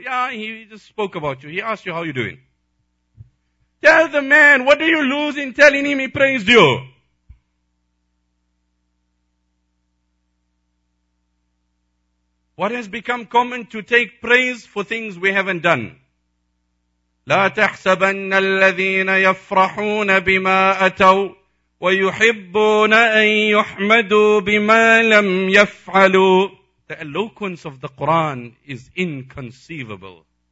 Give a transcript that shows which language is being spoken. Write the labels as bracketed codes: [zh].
[en] Yeah, he just spoke about you. He asked you, how are you doing? Tell the man, what do you lose in telling him he praised you? What has become common to take praise for things we haven't done? [ar] لا تحسبن الذين يفرحون بما أتوا ويحبون أن يحمدوا بما لم يفعلوا. [en] The eloquence of the Quran is inconceivable.